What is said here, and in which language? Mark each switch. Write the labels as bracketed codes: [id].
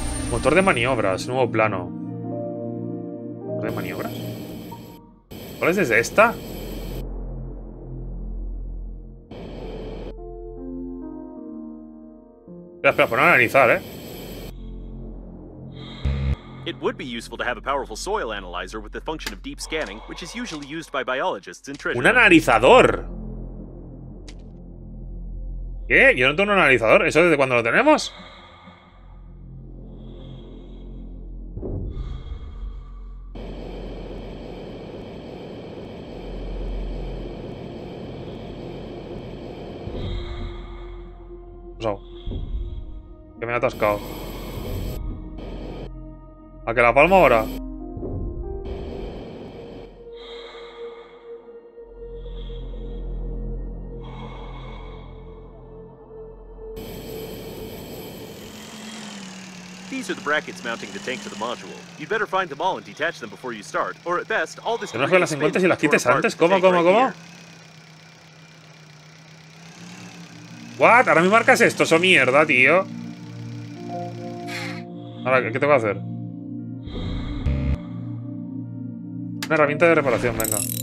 [es] Motor de maniobras, nuevo plano. ¿Motor de maniobras? ¿Cuál es desde esta? Espera, espera, ponerlo a analizar, ¿eh? [en] It would be useful to have a powerful soil analyzer with the function of deep scanning, which is usually used by biologists in treasure. [es] ¡Un analizador! ¿Qué? ¿Yo no tengo un analizador? ¿Eso desde cuándo lo tenemos? Que me he atascado. ¿A que la palmo ahora? [en] These are the brackets mounting the tank to the module. You'd better find them all and detach them before you start, or at best, all this. [es] ¿No es que las encuentres y las quites antes? ¿Cómo, cómo, cómo? [en] What? [es] ¿Ahora me marcas esto? ¡Eso mierda, tío! Ahora, ¿qué tengo que hacer? Una herramienta de reparación, venga.